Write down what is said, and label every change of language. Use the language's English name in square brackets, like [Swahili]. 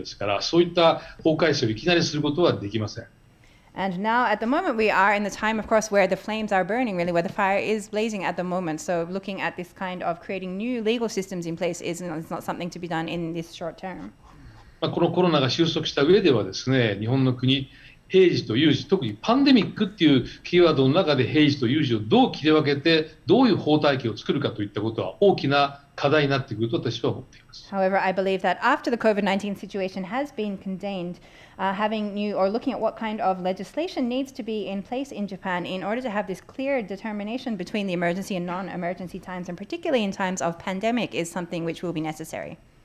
[Japanese] 今は火事が燃え盛ってる最中ですから、そういった崩壊をいきなりすることはできません。 [English] And now at the moment we are in the time of course where the flames are burning really, where the fire is blazing at the moment. So looking at this kind of creating new legal systems in place is not something to be done in this short term. [Japanese] このコロナが収束した上ではですね、日本の国、平時と有事、特にパンデミックっていうキーワードの中で平時と有事をどう切り分けて、どういう法体系を作るかといったことは大きな課題になってくると私は思っています。 [English] However, I believe that after the COVID-19 situation has been contained, having new or looking at what kind of legislation needs to be in place in Japan in order to have this clear determination between the emergency and non-emergency times, and particularly in times of pandemic, is something which will be necessary.